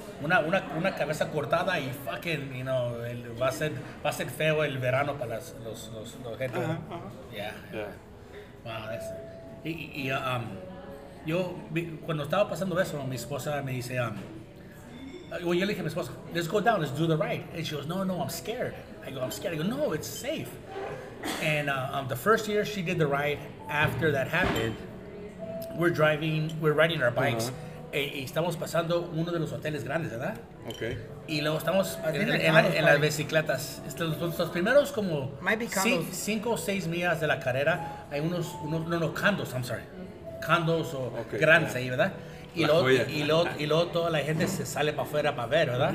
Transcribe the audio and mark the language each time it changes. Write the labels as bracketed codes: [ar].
[es] Una cabeza cortada y [en] fucking, you know, [es] va a ser feo el verano para los gente. [en] Uh-huh. Yeah. [es] Wow, yo, cuando estaba pasando eso, mi esposa me dice... [en] Well, [es] yo le dije a mi esposa, [en] let's go down, let's do the ride. And she goes, no, I'm scared. I go, no, it's safe. And the first year she did the ride, after that happened, we're riding our bikes. Uh-huh. [es] Y estamos pasando uno de los hoteles grandes, ¿verdad? Okay. Y luego estamos en las bicicletas. Los primeros como 5 o 6 millas de la carrera, hay condos okay, grandes, yeah, ahí, ¿verdad? Y luego toda la gente se sale para afuera para ver, ¿verdad?